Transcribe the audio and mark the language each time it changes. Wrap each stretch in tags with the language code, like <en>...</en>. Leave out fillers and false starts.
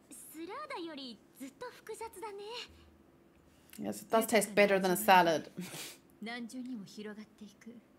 <ja>スラダよりずっと複雑だね。</ja> <en>Yes, it does taste better than a salad.</en> <ja>何重にも広がっていく。</ja>